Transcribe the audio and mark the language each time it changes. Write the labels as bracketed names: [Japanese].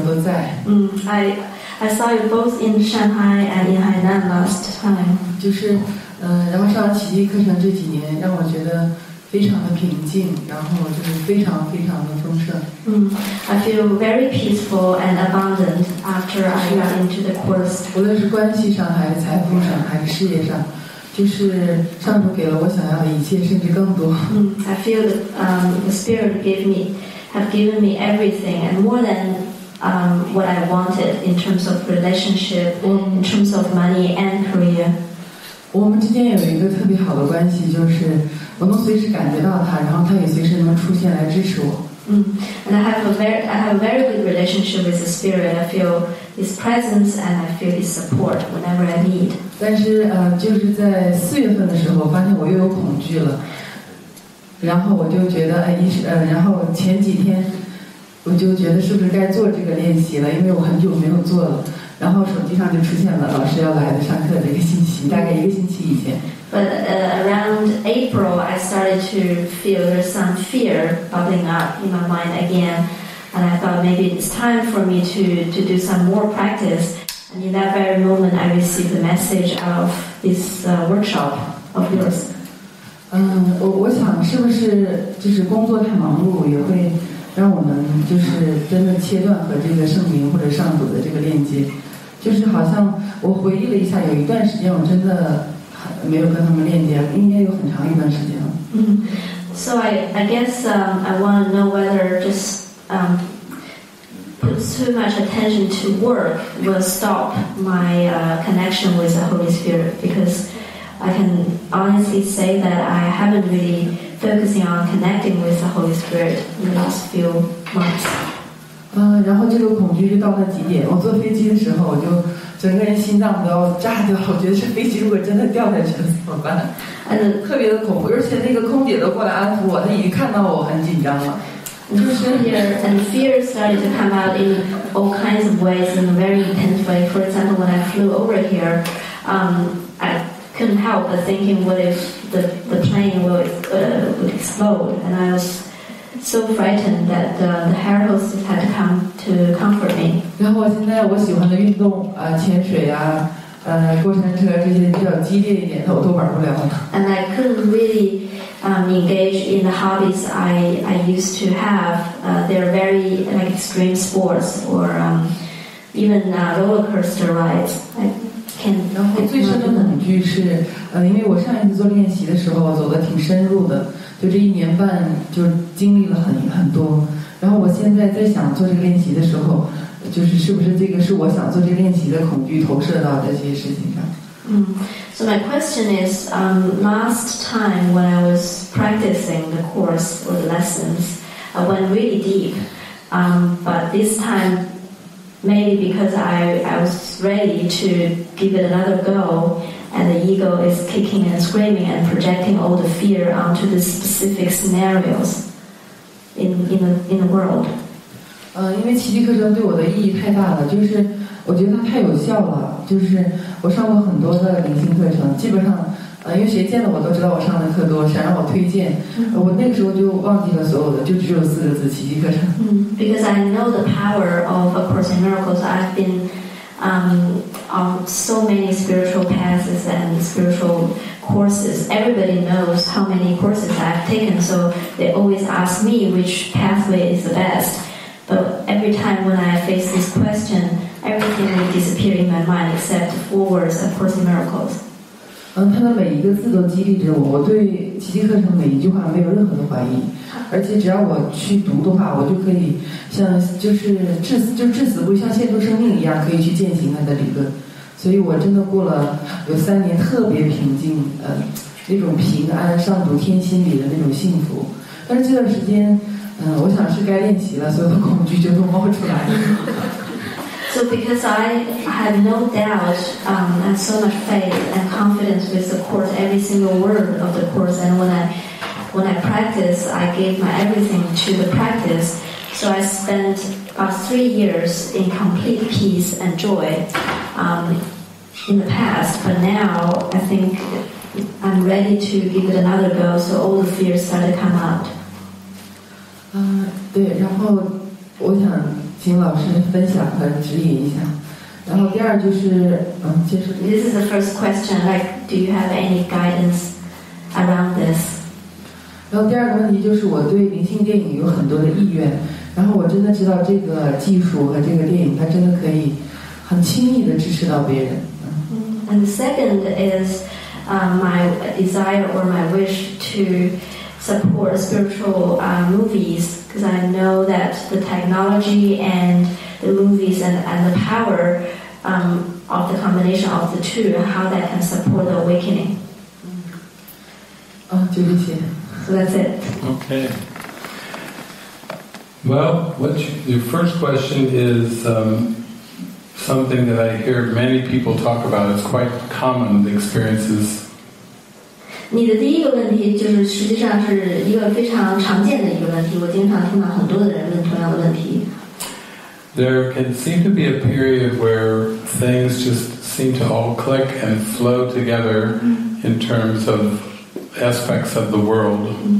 [English] I saw you both in Shanghai and in Hainan last time. [Chinese] 就是，然后上奇迹课程这几年，让我觉得非常的平静，然后就是非常非常的丰盛。 [English] I feel very peaceful and abundant after I got into the course. [Chinese] 无论是关系上，还是财富上，还是事业上，就是上主给了我想要的一切，甚至更多。 [English] I feel the spirit have given me everything and more than what I wanted in terms of relationship, in terms of money and career. [Chinese] 我们之间有一个特别好的关系，就是我能随时感觉到他，然后他也随时能出现来支持我。 [English] And I have a very good relationship with the spirit. I feel his presence and I feel his support whenever I need. [Chinese] 但是就是在四月份的时候，发现我又有恐惧了。然后我就觉得，然后前几天我就觉得是不是该做这个练习了，因为我很久没有做了。然后手机上就出现了老师要来的上课的一个信息，大概一个星期以前。 [English] But around April, I started to feel there's some fear bubbling up in my mind again, and I thought maybe it's time for me to do some more practice. And in that very moment, I received the message of this workshop of yours. [Chinese] 我想是不是就是工作太忙碌，也会让我们就是真的切断和这个圣灵或者上主的这个链接。就是好像我回忆了一下，有一段时间我真的没有跟他们链接，应该有很长一段时间了。 [English] So I guess I want to know whether just put too much attention to work will stop my connection with the Holy Spirit, because I can honestly say that I haven't really focusing on connecting with the Holy Spirit in the last few months. [Chinese] 然后这个恐惧就到了极点。我坐飞机的时候，我就整个人心脏都要炸掉，我觉得这飞机如果真的掉下去了怎么办？特别的恐怖，而且那个空姐都过来安抚我，她已经看到我很紧张了。 [English] And fear started to come out in all kinds of ways in a very intense way. For example, when I flew over here, I couldn't help but thinking, what if the plane would explode? And I was so frightened that the hair hostess had come to comfort me. [Chinese] 然后现在我喜欢的运动，潜水啊，过山车这些比较激烈一点的我都玩不了。 [English] And I couldn't really engage in the hobbies I used to have. They're very like extreme sports or even roller coaster rides. I [Chinese] 最深的恐惧是，因为我上一次做练习的时候走得挺深入的，就这一年半就经历了很多。然后我现在在想做这个练习的时候，就是是不是这个是我想做这个练习的恐惧投射到这些事情上。 [English] So my question is, last time when I was practicing the course or the lessons, I went really deep. But this time, maybe because I was ready to give it another go, and the ego is kicking and screaming and projecting all the fear onto the specific scenarios in the world. [Chinese] 因为奇迹课程对我的意义太大了，就是我觉得它太有效了。就是我上过很多的灵性课程，基本上，因为谁见了我都知道我上的课多，想让我推荐。我那个时候就忘记了所有的，就只有四个字：奇迹课程。 [English] Because I know the power of A Course in Miracles, I've been on so many spiritual paths and spiritual courses. Everybody knows how many courses I've taken, so they always ask me which pathway is the best. But every time when I face this question, everything suddenly disappear in my mind except four words, A Course in Miracles. [Chinese] 他的每一个字都激励着我，我对奇迹课程每一句话没有任何的怀疑，而且只要我去读的话，我就可以像就是至死不像献出生命一样，可以去践行他的理论。所以我真的过了有三年特别平静，那种平安上读天心里的那种幸福。但是这段时间，我想是该练习了，所有的恐惧就都冒出来了。 [English] So because I have no doubt, and so much faith and confidence with the course, every single word of the course, and when I practice, I gave my everything to the practice. So I spent about 3 years in complete peace and joy, in the past. But now I think I'm ready to give it another go. So all the fears start to come out. [Chinese] 对，然后我想请老师分享和指引一下。然后第二就是，就是。 [English] This is the first question. Like, do you have any guidance around this? [Chinese] 然后第二个问题就是，我对灵性电影有很多的意愿。然后我真的知道这个技术和这个电影，它真的可以很轻易的支持到别人。 [English] And the second is, my desire or my wish to support spiritual movies. Because I know that the technology and the movies and the power of the combination of the two, how that can support the awakening. So that's it. Okay. Well, your first question is something that I hear many people talk about. It's quite common, the experiences. [Chinese] 你的第一个问题就是实际上是一个非常常见的一个问题，我经常听到很多的人问同样的问题。 [English] There can seem to be a period where things just seem to all click and flow together in terms of aspects of the world.